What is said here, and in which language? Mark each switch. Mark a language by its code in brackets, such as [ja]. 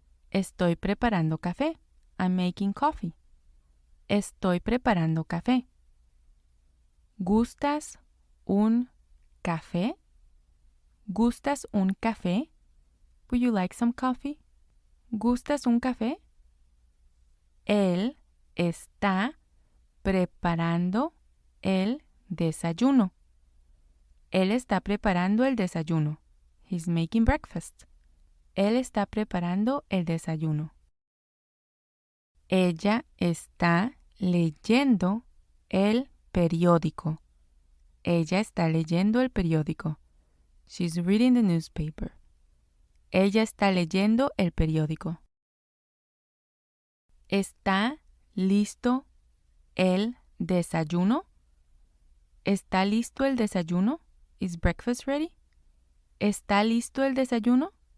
[es] Estoy preparando café. [en] I'm making coffee. [es] Estoy preparando café. ¿Gustas un café? ¿Gustas un café? [en] Would you like some coffee? [es] ¿Gustas un café? Él está preparando el desayuno. Él está preparando el desayuno. [en] He's making breakfast. [es] Él está preparando el desayuno. Ella está leyendo el periódico. Ella está leyendo el periódico. [en] She's reading the newspaper. [es] Ella está leyendo el periódico. ¿Está listo el desayuno? ¿Está listo el desayuno? [en] Is breakfast ready? [es] ¿Está listo el desayuno?